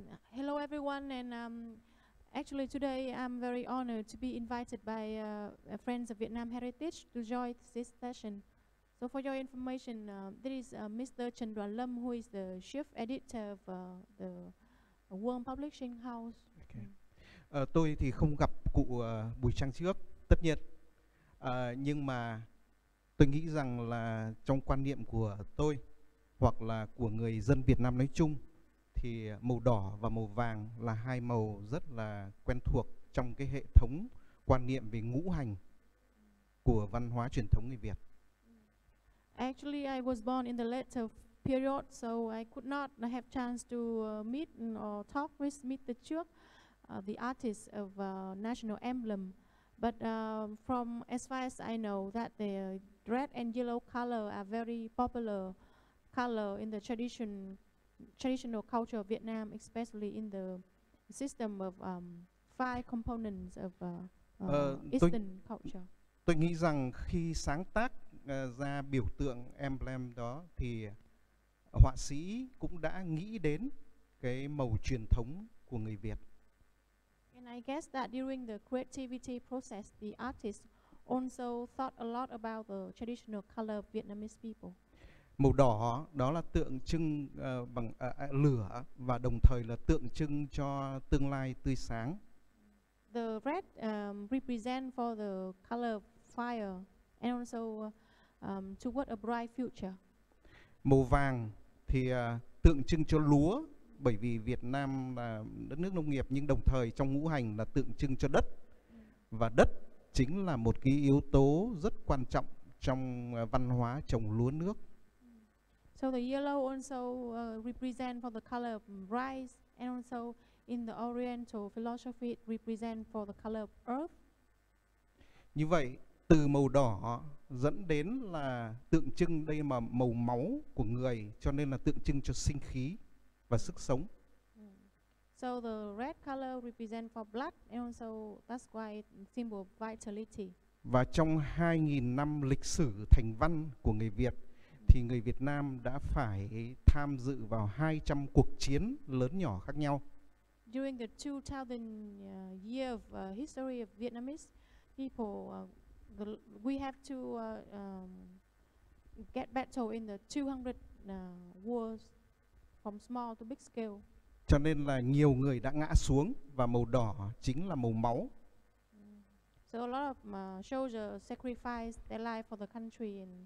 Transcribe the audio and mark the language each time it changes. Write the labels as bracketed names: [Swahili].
[English] Hello everyone, and actually today I'm very honored to be invited by Friends of Vietnam Heritage to join this session. So for your information, this is Mr. Trần Đoàn Lâm, who is the chief editor of the World Publishing House. Okay. [Vietnamese] Tôi thì không gặp cụ Bùi Trang Trước, tất nhiên. Nhưng mà tôi nghĩ rằng là trong quan niệm của tôi hoặc là của người dân Việt Nam nói chung thì màu đỏ và màu vàng là hai màu rất là quen thuộc trong cái hệ thống quan niệm về ngũ hành của văn hóa truyền thống người Việt. [English] Actually, I was born in the later period, so I could not have chance to meet or talk with Mr. Trước, the artist of national emblem. But from as far as I know, that the red and yellow color are very popular color in the traditional culture of Vietnam, especially in the system of five components of Eastern culture. [Vietnamese] Tôi nghĩ rằng khi sáng tác ra biểu tượng emblem đó thì họa sĩ cũng đã nghĩ đến cái màu truyền thống của người Việt. [English] And I guess that during the creativity process, the artist also thought a lot about the traditional color of Vietnamese people. [Vietnamese] Màu đỏ đó là tượng trưng bằng lửa và đồng thời là tượng trưng cho tương lai tươi sáng. [English] The red represent for the color of fire and also toward a bright future. [Vietnamese] Màu vàng thì tượng trưng cho lúa, bởi vì Việt Nam là đất nước nông nghiệp, nhưng đồng thời trong ngũ hành là tượng trưng cho đất. Và đất chính là một cái yếu tố rất quan trọng trong văn hóa trồng lúa nước. [English] So the yellow also represent for the color of rice, and also in the oriental philosophy represent for the color of earth. [Vietnamese] Như vậy, từ màu đỏ dẫn đến là tượng trưng đây mà màu máu của người, cho nên là tượng trưng cho sinh khí và sức sống. [English] So the red color represent for blood, and also that's why it symbol of vitality. [Vietnamese] Và trong 2000 năm lịch sử thành văn của người Việt thì người Việt Nam đã phải tham dự vào 200 cuộc chiến lớn nhỏ khác nhau. [English] During the 2000 year of history of Vietnamese people, we have to get battle in the 200 wars from small to big scale. [Vietnamese] Cho nên là nhiều người đã ngã xuống và màu đỏ chính là màu máu. [English] So a lot of soldiers sacrificed their life for the country and